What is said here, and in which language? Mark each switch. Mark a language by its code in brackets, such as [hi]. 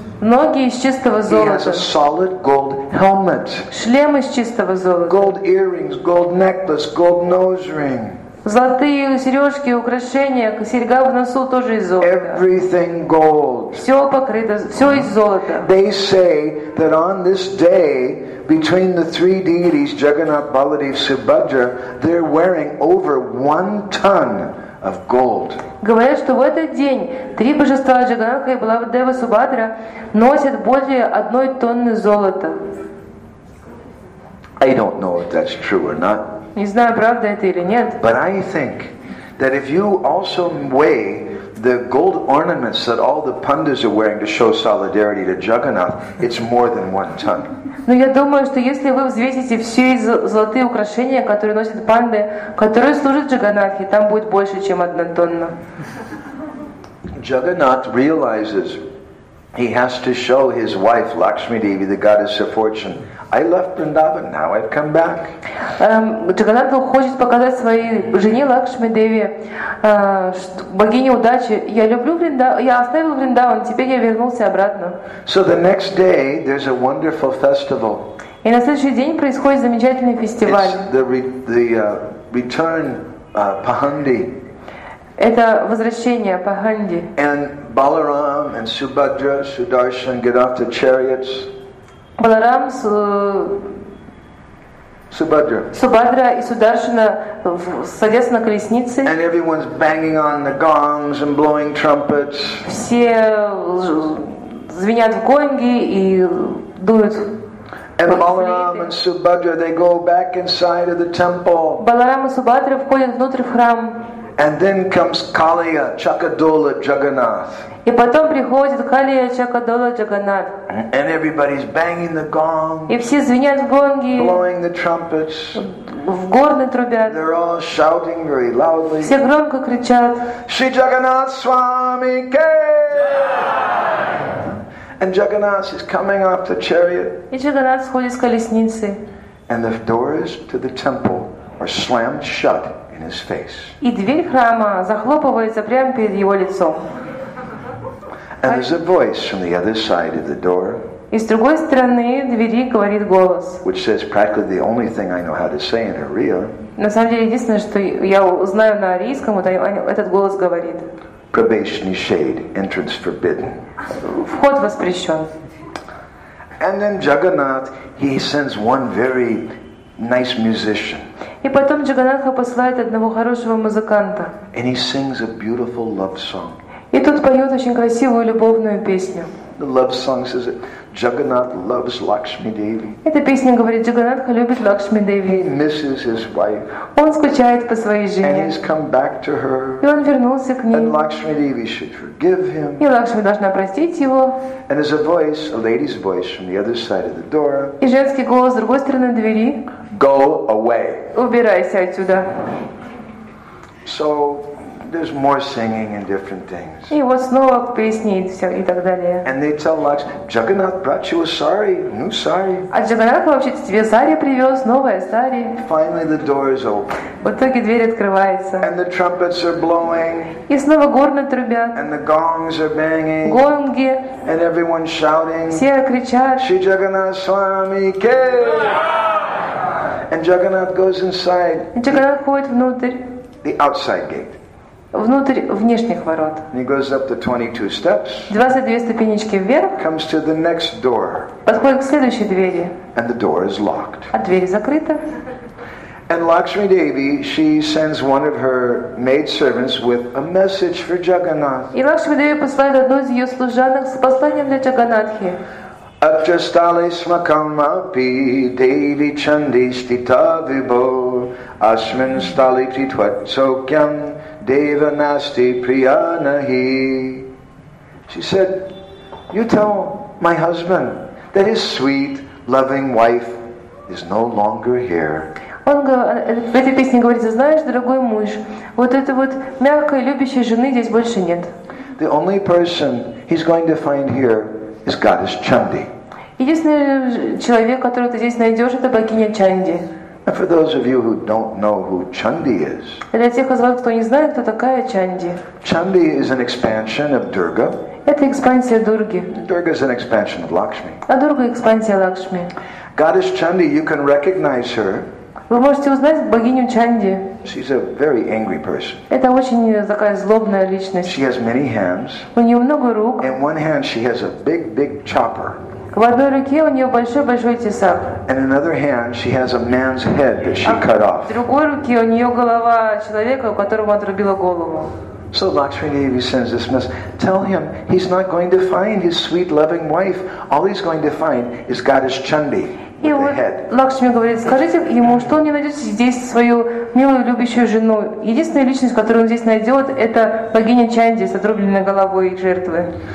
[ru] Ноги из чистого золота. [en] He has a solid gold helmet. [ru] Шлем из чистого золота. [en] Gold earrings, gold necklace, gold nose ring. [ru] Золотые сережки, украшения, серьга в носу тоже из золота. [en] Everything gold. [ru] Все покрыто, все из золота. [en] They say that on this day, between the three deities, Jagannath, Baladev, Subhadra, they're wearing over one ton. Of gold. [ru] Говорят, что в этот день три божества Джаганнатха и Баладева Субхадра носят более одной тонны золота. [en] I don't know if that's true or not. [ru] Не знаю, правда это или нет. [en] But I think that if you also weigh the gold ornaments that all the pandas are wearing to show solidarity to Jagannath, it's more than one ton. [ru] Но я думаю, что если вы взвесите все золотые украшения, которые носят панды, которые служат Джаганнатхе, там будет больше, чем одна тонна. [en] Jagannath realizes he has to show his wife Lakshmi Devi, the goddess of fortune. I left Vrindavan, now I've come back. [ru] Джаганнатху хочет показать своей жене Лакшми Деви, богине удачи. Я люблю Вриндаван, я оставил Вриндаван, теперь я вернулся обратно. [en] So the next day there's a wonderful festival. [ru] И на следующий день происходит замечательный фестиваль. [en] It's the return Pahandi. [ru] Это возвращение Паханди. [en] And Balaram and Subhadra, Sudarshan get off the chariots. [ru] Баларам, Субхадра. Субхадра и Сударшина садятся на колесницы. [en] And everyone's banging on the gongs and blowing trumpets. [ru] Все звенят в гонги и дуют. [en] And Balaram and Subhadra, they go back inside of the temple. [ru] Баларам и Субхадра входят внутрь в храм. [en] And then comes Kaliya, Chakadola, Jagannath. [ru] И потом приходит Калия Чакадола Джаганнат. [en] And everybody's banging the gong. [ru] И все звенят гонги. [en] Blowing the trumpets. [ru] В горны трубят. [en] They're all shouting very loudly. [ru] Все громко кричат. [hi] Shri Jagannath Swami Ke! [en] And Jagannath is coming off the chariot. [ru] И Джаганнат сходит с колесницы. [en] And the doors to the temple are slammed shut in his face. [ru] И дверь храма захлопывается прямо перед его лицом. [en] And there's a voice from the other side of the door. [ru] И с другой стороны двери говорит голос. [en] Which says practically the only thing I know how to say in Aria. [ru] На самом деле единственное, что я знаю на арийском, этот голос говорит. [en] Probation is shade, entrance forbidden. [ru] Вход воспрещен. [en] And then Jagannath, he sends one very nice musician. [ru] И потом Джаганнатха посылает одного хорошего музыканта. [en] And he sings a beautiful love song. [ru] И тут поет очень красивую любовную песню. [en] The love song says it. Jagannath loves Lakshmi Devi. [ru] Эта песня говорит, Джаганнатха любит Лакшми Деви. [en] He misses his wife. [ru] Он скучает по своей жене. [en] And he's come back to her. [ru] И он вернулся к ней. [en] And Lakshmi Devi should forgive him. [ru] И Лакшми должна простить его. [en] And there's a voice, a lady's voice from the other side of the door. [ru] И женский голос с другой стороны двери. [en] Go away. [ru] Убирайся отсюда. [en] So there's more singing and different things. [ru] И вот снова песни и все и так далее. [en] And they tell Lakshmi, Jagannath brought you a sari, new sari. [ru] А Джагнатх вообще-то тебе сари привез, новое сари. [en] Finally the door is open. [ru] В итоге дверь открывается. [en] And the trumpets are blowing. [ru] И снова горны трубят. [en] And the gongs are banging. [ru] Гонги. [en] And everyone shouting. [ru] Все кричат. [hi] Shri Jagannath Swami Ke. [en] And Jagannath goes inside. [ru] Джагнатх ходит внутрь. [en] The outside gate. [ru] Внутрь внешних ворот. [en] He goes up the 22 steps. [ru] 22 ступенечки вверх. [en] Comes to the next door. [ru] Подходит к следующей двери. [en] And the door is locked. [ru] А дверь закрыта. [en] And Lakshmi Devi, she sends one of her maid servants with a message for Jagannath. [ru] И Лакшми Деви посылает одну из ее служанок с посланием для Джаганатхи. [sa] Abjastale smakam api Devi chandishtita vibho Ashmin stali titvat sokyam Deva nasti priyanahi. [en] She said, you tell my husband that his sweet, loving wife is no longer here. [ru] Он говорит, в этой песне говорится, знаешь, дорогой муж, вот этой вот мягкой, любящей жены здесь больше нет. [en] The only person he's going to find here is goddess Chandi. [ru] Единственный человек, которого ты здесь найдешь, это богиня Чанди. [en] And for those of you who don't know who Chandi is, [ru] для тех из вас, кто не знает, кто такая Чанди. [en] Chandi is an expansion of Durga. [ru] Это экспансия Дурги. [en] Durga is an expansion of Lakshmi. [ru] А Дурга экспансия Лакшми. [en] Goddess Chandi, you can recognize her. [ru] Вы можете узнать богиню Чанди. [en] She's a very angry person. [ru] Это очень такая злобная личность. [en] She has many hands. [ru] У нее много рук. [en] In one hand, she has a big, big chopper. [ru] В одной руке у нее большой-большой тесак. [en] And in another hand, she has a man's head that she cut off. [ru] В другой руке у нее голова человека, у которого отрубила голову. [en] So Lakshmi Devi sends this message. Tell him he's not going to find his sweet, loving wife. All he's going to find is goddess Chandi with the head. [ru] Лакшми говорит, скажите ему, что он не найдет здесь свою милую, любящую жену. Единственная личность, которую он здесь найдет, это богиня Чанди с отрубленной головой жертвы.